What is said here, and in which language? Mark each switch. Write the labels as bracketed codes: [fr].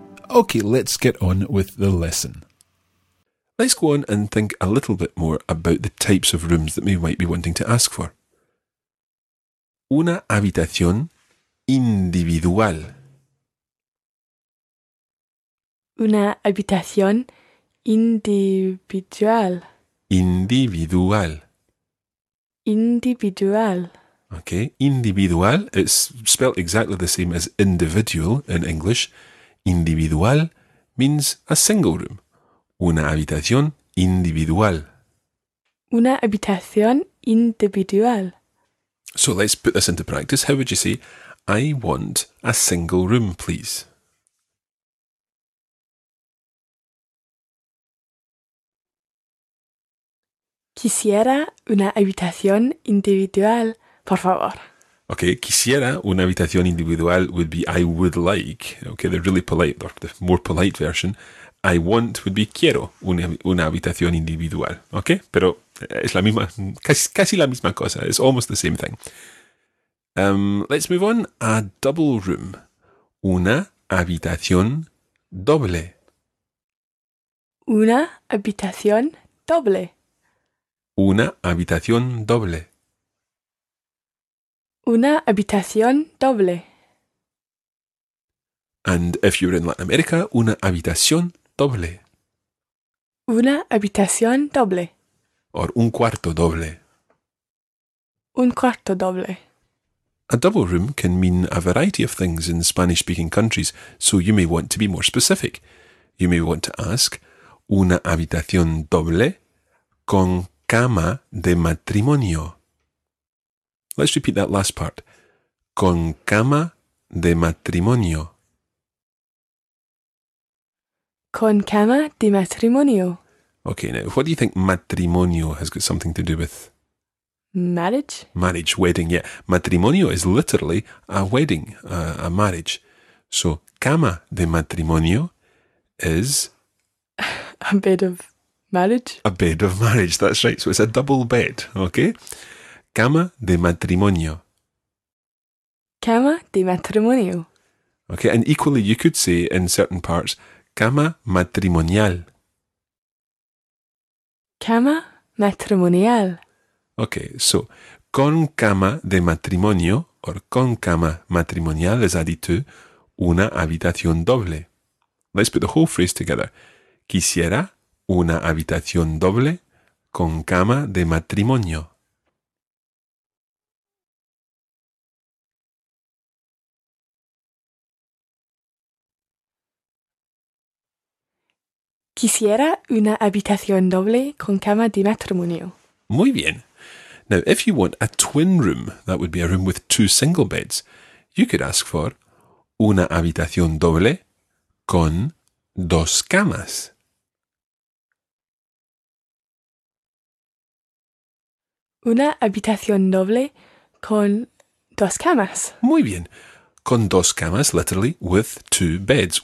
[en] Okay, let's get on with the lesson. Let's go on and think a little bit more about the types of rooms that we might be wanting to ask for. [es] Una habitación individual. Una habitación individual. Individual. Individual. [en] Okay, individual. It's spelled exactly the same as individual in English. Individual means a single room. [es] Una habitación individual. Una habitación individual. [en] So let's put this into practice. How would you say, I want a single room, please? [es] Quisiera una habitación individual, por favor. [en] Okay, [es] quisiera una habitación individual [en] would be I would like. Okay, the really polite, or the more polite version. I want would be [es] quiero una habitación individual. [en] Okay? [es] Pero es la misma, casi la misma cosa. [en] It's almost the same thing. Let's move on. A double room. [es] Una habitación doble. Una habitación doble. Una habitación doble. Una habitación doble. [en] And if you're in Latin America, [es] una habitación doble. Una habitación doble. Or un cuarto doble. Un cuarto doble. [en] A double room can mean a variety of things in Spanish-speaking countries, so you may want to be more specific. You may want to ask, [es] una habitación doble con cama de matrimonio. [en] Let's repeat that last part. [es] Con cama de matrimonio. Con cama de matrimonio. [en] Okay, now, what do you think matrimonio has got something to do with? Marriage? Marriage, wedding, yeah. Matrimonio is literally a wedding, a marriage. So, [es] cama de matrimonio [en] is... a bed of marriage. A bed of marriage, that's right. So, it's a double bed, okay? [es] Cama de matrimonio. Cama de matrimonio. [en] Okay, and equally, you could say in certain parts... [es] cama matrimonial. Cama matrimonial. [en] Okay, so [es] con cama de matrimonio [en] or [es] con cama matrimonial [en] is added to [es] una habitación doble. [en] Let's put the whole phrase together. [es] Quisiera una habitación doble con cama de matrimonio. Quisiera una habitación doble con cama de matrimonio. Muy bien. [en] Now, if you want a twin room, that would be a room with two single beds, you could ask for [es] una habitación doble con dos camas. Una habitación doble con dos camas. Muy bien. Con dos camas, [en] literally, with two beds.